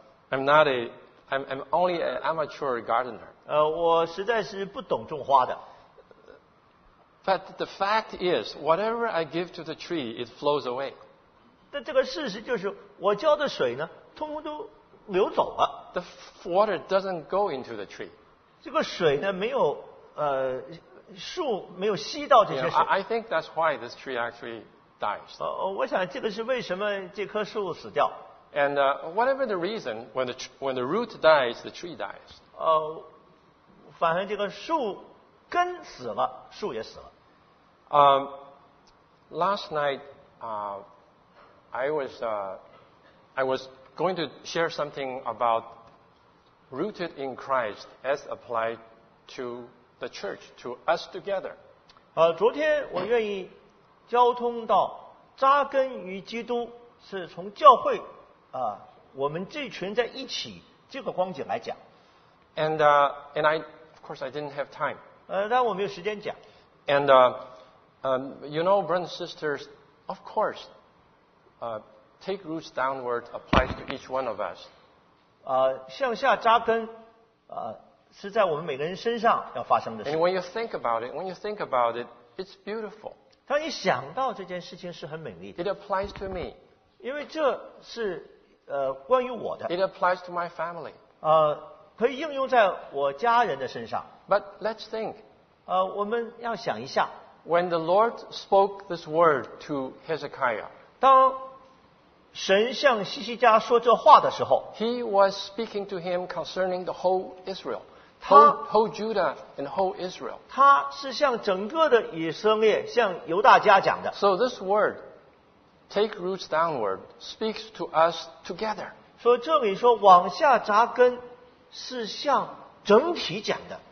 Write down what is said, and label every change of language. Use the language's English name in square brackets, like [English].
[English] I'm only an amateur gardener. [Chinese] 我实在是不懂种花的。 [English] But the fact is, whatever I give to the tree, it flows away. [Chinese] 但这个事实就是，我浇的水呢，通通都流走了。 [English] The water doesn't go into the tree. [Chinese] 这个水呢，没有树没有吸到这些水。 [English] You know, I think that's why this tree actually dies. [Chinese] 我想这个是为什么这棵树死掉。 [English] And whatever the reason, when the root dies, the tree dies. [Chinese] 反正这个树。根死了，树也死了。 [English] Last night, I was going to share something about rooted in Christ as applied to the church, to us together. [Chinese] 昨天我愿意交通到扎根于基督是从教会我们这群在一起这个光景来讲。 [English] And I, of course, I didn't have time. [Chinese] 但我没有时间讲。 [English] And, you know, brothers and sisters, of course, take roots downward applies to each one of us. [Chinese] 向下扎根是在我们每个人身上要发生的事。 [English] And when you think about it, when you think about it, it's beautiful. [Chinese] 当你想到这件事情是很美丽的。 [English] It applies to me. [Chinese] 因为这是关于我的。 [English] It applies to my family. [Chinese] 可以应用在我家人的身上。 [English] But let's think. [Chinese] 我们要想一下。 [English] When the Lord spoke this word to Hezekiah, [Chinese] 当神向西西家说这话的时候， [English] He was speaking to him concerning the whole Israel, whole Judah and whole Israel. [Chinese] 他是向整个的以色列，向犹大家讲的。 [English] So this word, take roots downward, speaks to us together. [Chinese] 所以这里说往下扎根是向整体讲的。